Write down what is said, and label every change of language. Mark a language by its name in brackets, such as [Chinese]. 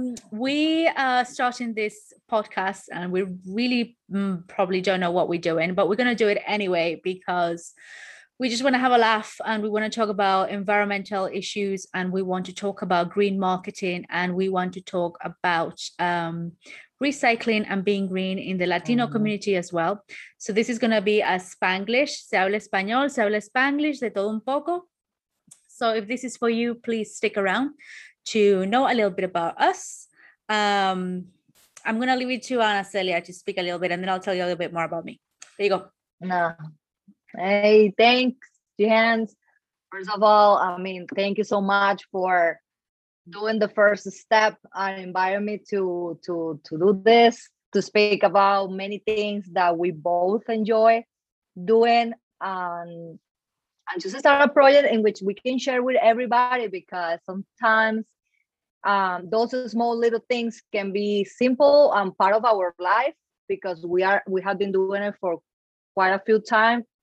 [English] We are starting this podcast and we really probably don't know what we're doing, but we're going to do it anyway because we just want to have a laugh and we want to talk about environmental issues and we want to talk about green marketing and we want to talk about recycling and being green in the Latino community as well. So this is going to be a Spanglish. [Spanish] Se habla español, se habla Spanglish, de todo un poco. [English] So if this is for you, please stick around to know a little bit about us. I'm going to leave it to Ana Celia to speak a little bit and then I'll tell you a little bit more about me. There you go. Hey, thanks, Jihan. First of all, I mean, thank you so much for doing the first step and inviting me to do this, to speak about many things that we both enjoy doing and just start a project in which we can share with everybody, because sometimes those small little things can be simple and part of our life, because we have been doing it for quite a few times.